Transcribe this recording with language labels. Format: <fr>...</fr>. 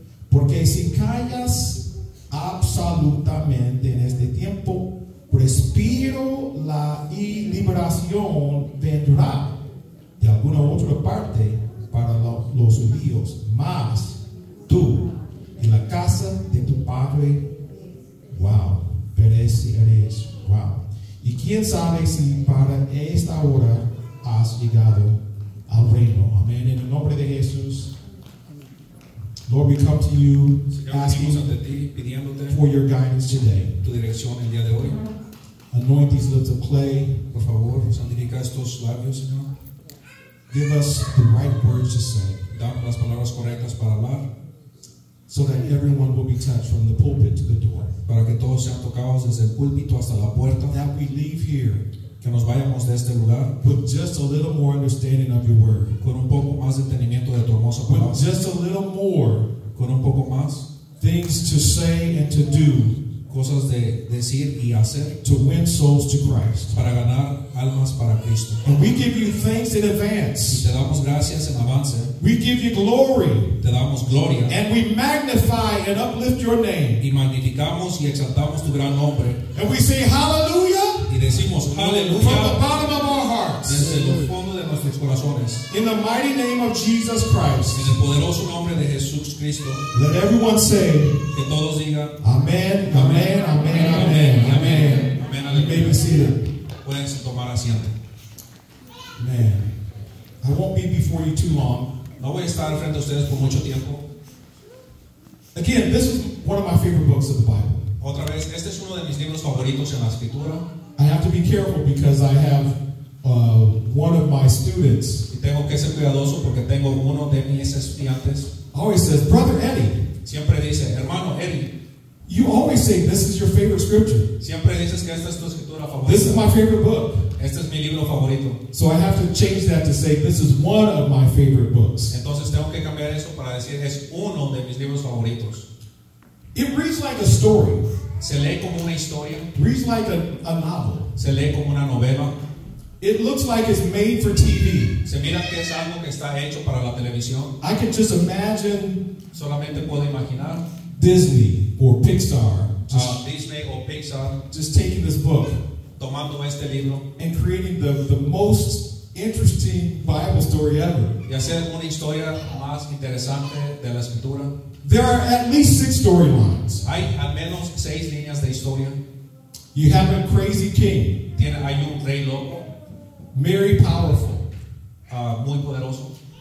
<es>Porque si callas absolutamente en este tiempo, respiro la liberación vendrá de alguna otra parte para los judíos, más tú en la casa de tu padre, wow, pereceréis, wow. Y quién sabe si para esta hora has llegado al reino. Amén. En el nombre de Jesús.</es> <en>Lord, we come to you asking for your guidance today.</en> <es>Tu dirección el día de hoy.</es> <en>Anoint these lips of clay.</en> <es>Por favor, santifica estos labios, Señor.</es> <en>Give us the right words to say.</en> <es>Dame las palabras correctas para hablar.</es> <en>So that everyone will be touched from the pulpit to the door.</en> <es>para que todos sean tocados desde el púlpito hasta la puerta.</es> <en>That we leave here,</en> <es>que nos vayamos de este lugar.</es> <en>With just a little more understanding of your word,</en> <es>con un poco más de entendimiento de tu hermosa palabra.</es> <en>With just a little more,</en> <es>con un poco más.</es> <en>Things to say and to do,</en> <es>cosas de decir y hacer.</es> <en>To win souls to Christ,</en> <es>para ganar almas para Cristo.</es> <en>And we give you thanks in advance,</en> <es>y te damos gracias en avance.</es> <en>We give you glory,</en> <es>te damos gloria.</es> <en>And we magnify and uplift your name,</en> <es>y magnificamos y exaltamos tu gran nombre.</es> <en>And we say hallelujah,</en> <es>y decimos hallelujah,</es> <en>from the bottom of our hearts,</en> <es>desde el fondo de nuestros corazones.</es> <en>In the mighty name of Jesus Christ,</en> <es>en el poderoso nombre de Jesús Cristo.</es> <en>Let everyone say,</en> <es>que todos digan, amen, amen, amen, amen, amen, amen.</es> <en>You may be seated.</en> <es>Tomar asiento.</es> <en>Man, I won't be before you too long.</en> <es>No voy a estar frente a ustedes por mucho tiempo.</es> <en>Again, this is one of my favorite books of the Bible.</en> <es>Otra vez, este es uno de mis libros favoritos en la escritura.</es> <en>I have to be careful because I have one of my students.</en> <es>Y tengo que ser cuidadoso porque tengo uno de mis estudiantes.</es> <en>Always says, Brother Eddie.</en> <es>Siempre dice, hermano Eddie.</es> <en>You always say this is your favorite scripture.</en> <es>Siempre dices que esta es tu escritura favorita.</es> <en>This is my favorite book.</en> <es>Este es mi libro favorito.</es> <en>So I have to change that to say this is one of my favorite books.</en> <es>Entonces tengo que cambiar eso para decir es uno de mis libros favoritos.</es> <en>It reads like a story.</en> <es>Se lee como una historia.</es> <en>Reads like a novel.</en> <es>Se lee como una novela.</es> <en>It looks like it's made for TV.</en> <es>Se mira que es algo que está hecho para la televisión.</es> <en>I can just imagine.</en> <es>Solamente puedo imaginar.</es> <en>Disney or Pixar, Disney or Pixar, just taking this book,</en> <es>tomando este libro,</es> <en>and creating the most interesting Bible story ever.</en> <es>Y hacer una historia más interesante de la escritura.</es> <en>There are at least six storylines.</en> <es>Hay al menos seis líneas de historia.</es> <en>You have a crazy king.</en> <es>Tiene hay un rey loco.</es> <en>Very powerful.</en> <es>Muy poderoso.</es>